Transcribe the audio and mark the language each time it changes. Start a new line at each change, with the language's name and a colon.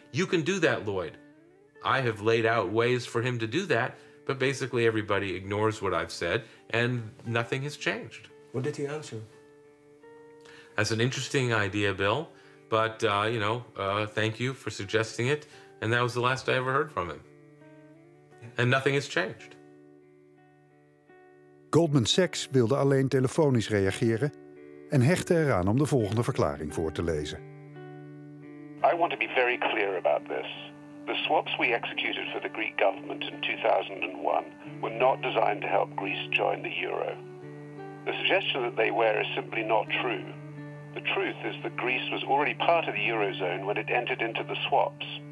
English: You can do that, Lloyd. I have laid out ways for him to do that, but basically everybody ignores what I've said, and nothing has changed. What did he answer? That's an interesting idea, Bill, but, you know, thank you for suggesting it, and that was the last I ever heard from him. Yeah. And nothing has changed.
Dutch: Goldman Sachs wilde alleen telefonisch reageren en hechtte eraan om de volgende verklaring voor te lezen.
English: I want to be very clear about this. The swaps we executed for the Greek government in 2001 were not designed to help Greece join the euro. The suggestion that they were is simply not true. The truth is that Greece was already part of the eurozone when it entered into the swaps.